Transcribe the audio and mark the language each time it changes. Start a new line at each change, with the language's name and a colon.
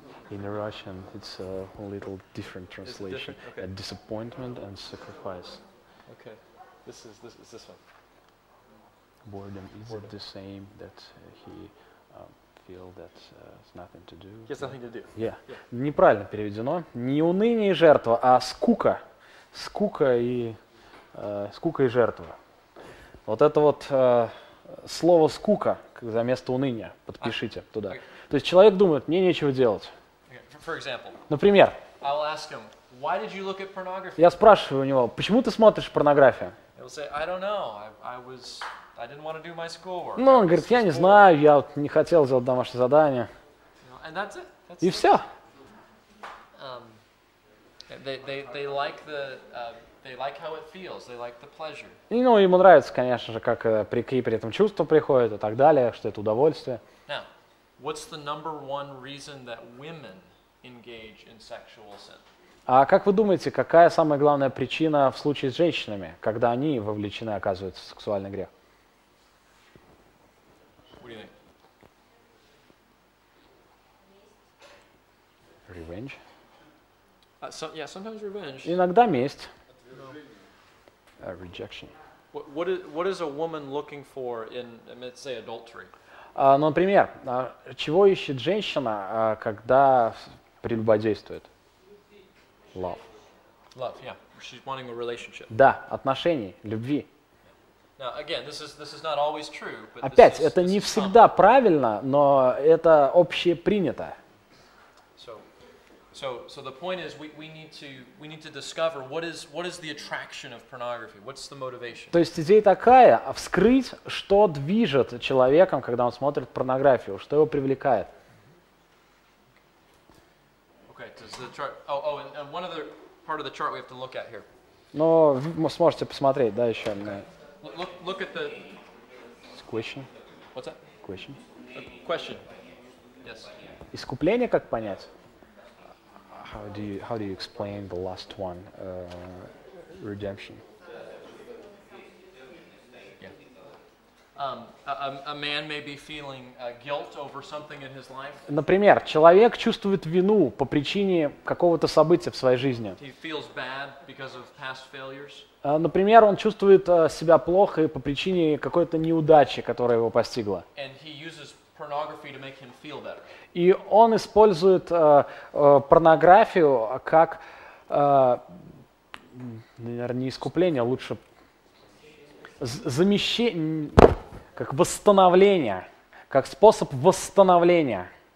English: In Russian, it's a little different translation. Okay. A disappointment and sacrifice. Okay. This is this one. Boredom. Is it the same that he feel that has nothing to do? He has nothing to do. Yeah.
Russian: Неправильно переведено. Не уныние и жертва, а скука. Скука и жертва. Вот это вот слово «скука» за место уныния. Подпишите туда. То есть человек думает, мне нечего делать.
English: For example.
Russian: Например.
English: I'll ask him, why did you look at pornography?
Russian: Я спрашиваю у него, почему ты смотришь порнографию?
English: He'll say, I don't know. I didn't want to do my schoolwork.
Russian: Ну, он говорит, я не знаю, я вот не хотел сделать домашнее задание.
English: And that's it.
Russian: И все.
English: They like how it feels. They like the pleasure.
Russian: И, ну, ему нравится, конечно же, как при этом чувство приходит и так далее, что это удовольствие.
English: Now, what's the number one reason that women engage in sexual sin?
Russian: А как вы думаете, какая самая главная причина в случае с женщинами, когда они вовлечены, оказываются, в сексуальный грех?
English: What do you think? Revenge? Sometimes revenge.
Russian: Иногда месть.
English: No. Rejection. What is a woman looking for in, let's say, adultery?
Russian: Например, чего ищет женщина, когда прелюбодействует?
English: Love. Love, yeah. She's wanting a relationship.
Russian: Да, отношений, любви.
English: Now, again, this is not always true, but
Russian: опять,
English: this is,
Russian: это
English: this
Russian: не
English: is
Russian: всегда
English: common.
Russian: Правильно, но это общепринято.
English: So the point is we need to discover what is the attraction of pornography? What's the motivation?
Russian: То есть идея такая, вскрыть, что движет человеком, когда он смотрит порнографию, что его привлекает.
English: Okay, does the chart and one other part of the chart we have to look at here.
Russian: Но вы сможете посмотреть, да, еще одна.
English: Look at the question. What's that? Question. Question. Yes.
Russian: Искупление как понять?
English: How do you explain the last one, redemption? Yeah. A man may be feeling guilt over something in his life.
Russian: Например, человек чувствует вину по причине какого-то события в своей жизни.
English: He feels bad because of past failures.
Russian: Например, он чувствует себя плохо по причине какой-то неудачи, которая его постигла.
English: And he uses pornography to make him feel better.
Russian: И он использует порнографию как, наверное, не искупление, а лучше замещение, как восстановление, как способ восстановления.